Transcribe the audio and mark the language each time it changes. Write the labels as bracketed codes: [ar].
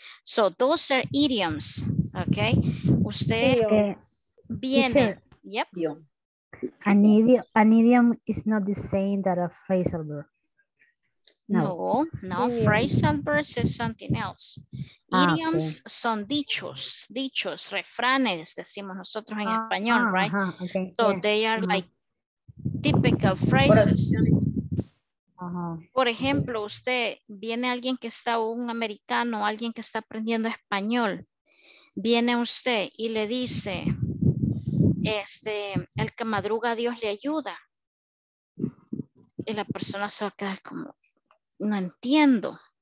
[en] So those are idioms, okay? [es] Usted viene, [en] yep. An idiom is not the same that a phrasal verb. No, phrasal verbs is something else. [es] Idioms son dichos, refranes, decimos nosotros en español, right? [en] Uh-huh, okay. So they are like typical phrases. [es] Por ejemplo, usted viene alguien que está, un americano, alguien que está aprendiendo español, viene usted y le dice, el que madruga Dios le ayuda. Y la persona se va a quedar como, no entiendo.